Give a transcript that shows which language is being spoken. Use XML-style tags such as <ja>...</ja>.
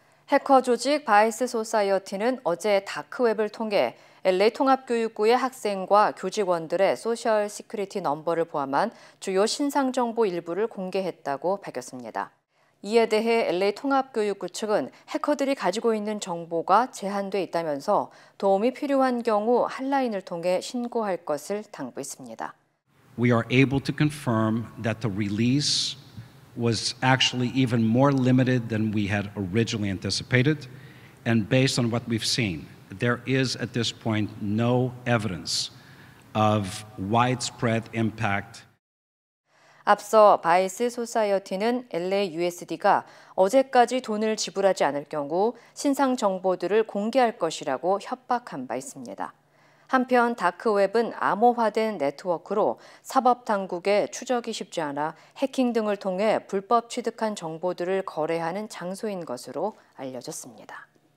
<ko>해커 조직 바이스 소사이어티는 어제 다크웹을 통해 LA 통합교육부의 학생과 교직원들의 소셜 시큐리티 넘버를 포함한 주요 신상 정보 일부를 공개했다고 밝혔습니다. 이에 대해 LA 통합교육부 측은 해커들이 가지고 있는 정보가 제한돼 있다면서 도움이 필요한 경우 한라인을 통해 신고할 것을 당부했습니다.</ko> <en>We are able to confirm that the release was actually even more limited than we had originally anticipated. And based on what we've seen, there is at this point no evidence of widespread impact.</en> <ko>앞서 바이스 소사이어티는 LAUSD가 어제까지 돈을 지불하지 않을 경우 신상 정보들을 공개할 것이라고 협박한 바 있습니다. 한편 다크웹은 암호화된 네트워크로 사법당국의 추적이 쉽지 않아 해킹 등을 통해 불법 취득한 정보들을 거래하는 장소인 것으로 알려졌습니다.</ko>